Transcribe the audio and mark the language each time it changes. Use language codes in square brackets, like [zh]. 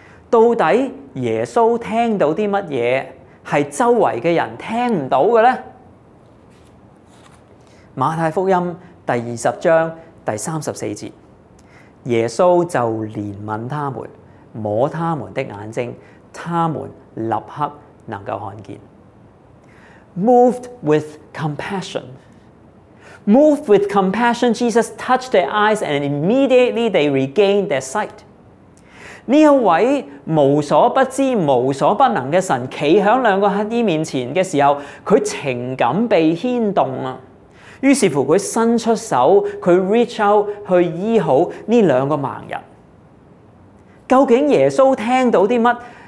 [zh] 到底耶稣听到什么是周围的人听不到的呢？马太福音第二十章第三十四节，耶稣就怜悯他们，摸他们的眼睛，他们立刻能够看见。 [en] Moved with compassion, moved with compassion, Jesus touched their eyes and immediately they regained their sight。 [zh] 这一位无所不知无所不能的神站在两个乞衣面前的时候，他情感被牵动，于是乎他伸出手，他 [en] reach out [zh] 去医好这两个盲人。究竟耶稣听到什么？